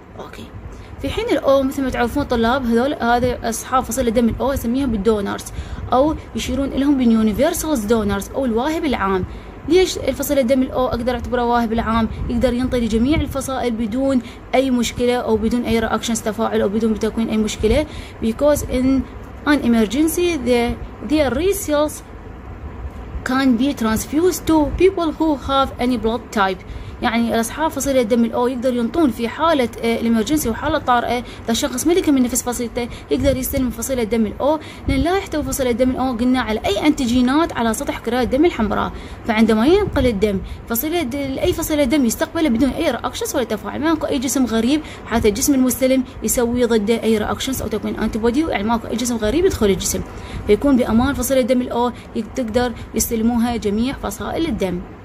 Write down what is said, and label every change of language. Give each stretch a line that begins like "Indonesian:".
Arabic: اوكي، في حين الاو مثل ما تعرفون طلاب هذول هذا اصحاب فصيلة دم الاو اسميهم بالدونرز، او يشيرون لهم باليونيفرسالز دونرز او الواهب العام. ليش الفصيلة دم الاو اقدر اعتبره واهب العام؟ يقدر ينطي لجميع الفصائل بدون اي مشكله او بدون اي رياكشنز تفاعل او بدون بتكوين اي مشكله.
English: Because in an emergency their results can be transfused to people who have any blood type.
Arabic: يعني اصحاب فصيلة دم الاو يقدر ينطون في حاله الامرجنسي وحاله طارئه، اذا شخص ملك من نفس فصيلته يقدر يستلم فصيله دم الاو، لان لا يحتوي فصيله دم الاو قلنا على اي انتيجينات على سطح كريات الدم الحمراء. فعندما ينقل الدم اي فصيله دم يستقبله بدون اي رياكشنز ولا تفاعل، ماكو اي جسم غريب حتى الجسم المستلم يسوي ضده اي رياكشنز او تكوين انتي بودي، يعني ماكو اي جسم غريب يدخل الجسم، فيكون بامان فصيله دم الاو تقدر يستلموها جميع فصائل الدم.